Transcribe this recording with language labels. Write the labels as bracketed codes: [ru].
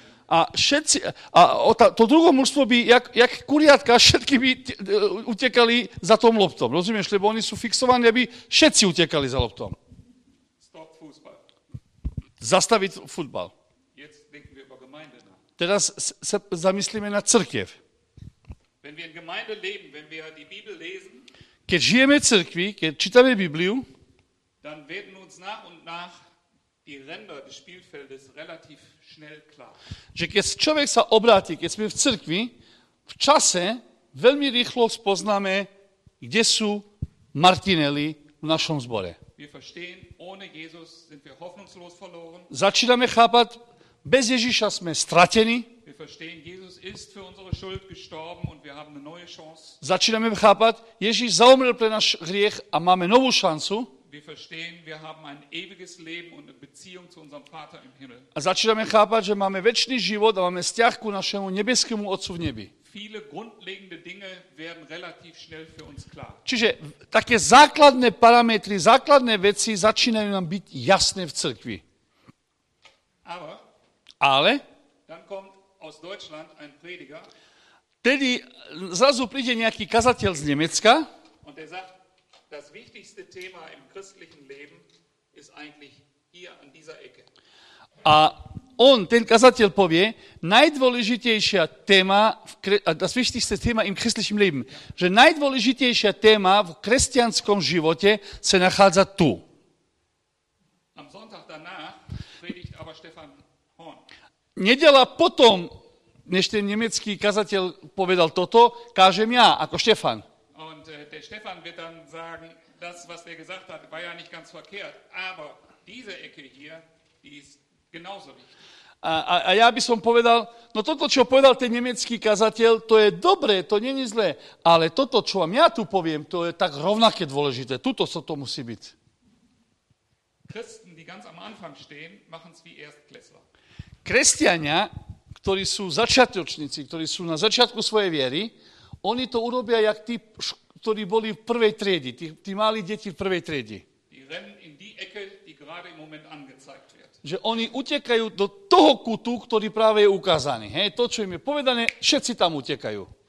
[sk] A všetci, to druhé mužstvo by, jak kuriatka, všetky by utekali za tom loptom. Rozumieš, lebo oni sú fixovaní, aby všetci utekali za loptom. [de] Stop fußball. [sk] Zastaviť futbal. [de] Jetzt denken wir über Gemeinde. [sk] Teraz sa zamyslíme na cirkev. [de] Wenn wir in Gemeinde leben, wenn wir die Bibel lesen, [sk] keď žijeme v cirkvi, keď čítame Bibliu, [de] dann werden uns nach und nach die Ränder des Spielfeldes relativ schnell klar. [sk] Že keď človek sa obráti, keď sme v cirkvi, v čase veľmi rýchlo spoznáme, kde sú Martinelli v našom zbore. [de] Wir verstehen, ohne Jesus sind wir hoffnungslos verloren. [sk] Začíname chápať, bez Ježiša sme stratení. [de] Wir verstehen, Jesus ist für unsere Schuld gestorben und wir haben eine neue Chance. [sk] Začíname chápať, Ježiš zaumrel pre náš hriech a máme novú šancu. [de] Wir verstehen, wir haben ein ewiges Leben und eine Beziehung zu unserem Vater im Himmel. [sk] A začíname chápať, že máme večný život a máme vzťah ku našemu nebeskému Otcu v nebi. [de] Viele grundlegende Dinge werden relativ schnell für uns klar. [sk] Čiže také základné parametry, základné veci začínajú nám byť jasné v cirkvi. [de] Ale dann kommt aus Deutschland ein Prediger. [sk] Tedy zrazu príde nejaký kazateľ z Nemecka. [de] Und der sagt, das wichtigste Thema im christlichen Leben ist eigentlich hier an dieser Ecke. [sk] A on, ten kazateľ povie, najdôležitejšia téma, [de] das wichtigste Thema im christlichen Leben, [sk] že najdôležitejšia téma v kresťanskom živote sa nachádza tu. [de] Am Sonntag danach predigt aber Stefan. Stefan Horn. [sk] Nedeľa potom, než ten nemecký kazateľ povedal toto, kážem ja ako Stefan. [de] Und der Stefan wird dann sagen, das was der gesagt hat, war ja nicht ganz verkehrt, aber diese Ecke hier, die ist genauso wichtig. [sk] A ja by som povedal, no toto, čo povedal ten nemecký kazateľ, to je dobré, to nie je zlé, ale toto, čo vám ja tu poviem, to je tak rovnaké dôležité. Tuto sa to musí byť. [de] Christen, die ganz am Anfang stehen, machen's wie Erstklässler. [sk] Kresťania, ktorí sú začiatočníci, ktorí sú na začiatku svojej viery, oni to urobia jak tí, ktorí boli v prvej triedi, tí malí deti v prvej triedi. [de] Die rennen in die Ecke, die gerade im Moment angezeigt. [sk] Že oni utekajú do toho kutu, ktorý práve je ukázaný. Hej, to, čo im je povedané, všetci tam utekajú.